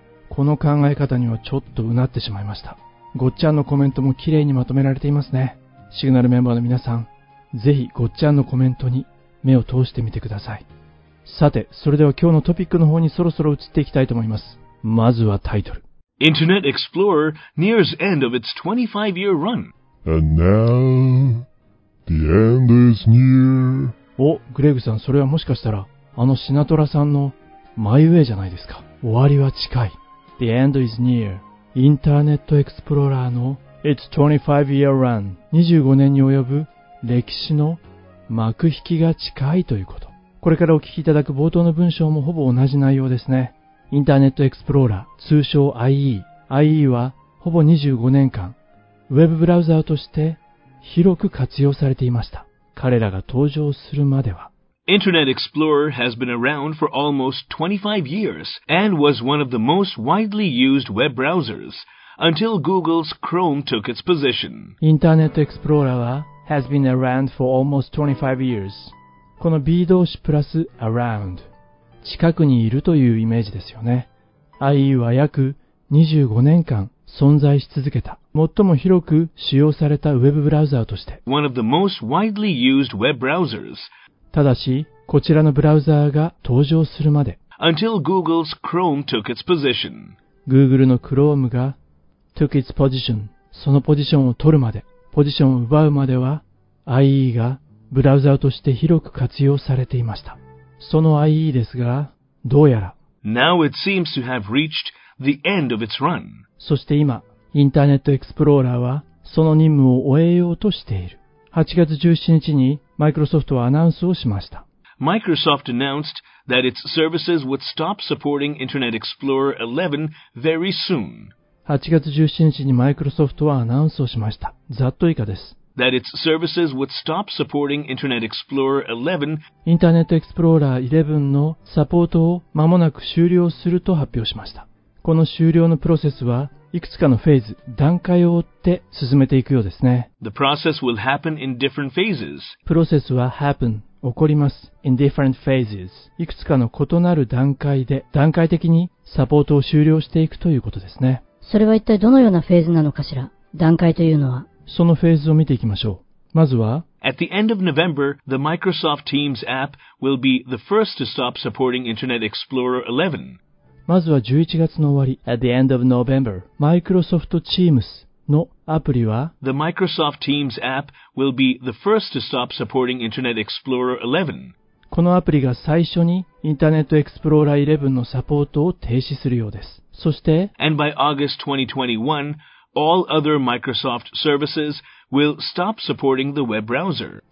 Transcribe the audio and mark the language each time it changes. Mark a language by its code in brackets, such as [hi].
[ja] この考え方にはちょっとうなってしまいました。ごっちゃんのコメントも綺麗にまとめられていますね。シグナルメンバーの皆さん、ぜひごっちゃんのコメントに目を通してみてください。さて、それでは今日のトピックの方にそろそろ移っていきたいと思います。まずはタイトル。 [en] Internet Explorer nears end of its 25 year run. And now... The end is near. [ja] お、グレグさん、それはもしかしたら、あのシナトラさんのマイウェイじゃないですか。終わりは近い。 [en] The end is near. インターネットエクスプローラーの It's 25 year run. [ja] 25年に及ぶ歴史の幕引きが近いということ。これからお聞きいただく冒頭の文章もほぼ同じ内容ですね。インターネットエクスプローラー、通称 IE。IE はほぼ25年間、ウェブブラウザーとして広く活用されていました。彼らが登場するまでは。 [en] Internet Explorer has been around for almost 25 years and was one of the most widely used web browsers until Google's Chrome took its position. Internet Explorer has been around for almost 25 years. [ja] この B 動詞プラス around、近くにいるというイメージですよね。 IE は約25年間存在し続けた。最も広く使用されたウェブブラウザーとして。 [en] One of the most widely used web browsers. [ja] ただし、こちらのブラウザーが登場するまで。 [en] Until Google's Chrome took its position. Google の Chrome が took its position. [ja] そのポジションを取るまで、ポジションを奪うまでは、IE がブラウザーとして広く活用されていました。その IE ですが、どうやら。 [en] Now it seems to have reached the end of its run. [ja] そして今、インターネットエクスプローラーはその任務を終えようとしている。 8月17日にマイクロソフトはアナウンスをしました。 [en] Microsoft announced that its services would stop supporting Internet Explorer 11 very soon. [ja] 8月17日にマイクロソフトはアナウンスをしました。ざっと以下です。 [en] That its services would stop supporting Internet Explorer 11. [ja] インターネットエクスプローラー11のサポートを間もなく終了すると発表しました。この終了のプロセスはいくつかのフェーズ、段階を追って進めていくようですね。 [en] The process will happen in different phases. [ja] プロセスは happen、起こります。 [en] In different phases. [ja] いくつかの異なる段階で、段階的にサポートを終了していくということですね。それは一体どのようなフェーズなのかしら？段階というのは。そのフェーズを見ていきましょう。まずは、 [en] At the end of November, the Microsoft Teams app will be the first to stop supporting Internet Explorer 11. [ja] まずは11月の終わり、 [en] At the end of November, [ja] Microsoft Teams のアプリは、 [en] The Microsoft Teams app will be the first to stop supporting Internet Explorer 11. [ja] このアプリが最初に Internet Explorer 11のサポートを停止するようです。そして、 [en] And by August 2021, all other Microsoft services will stop supporting the web browser.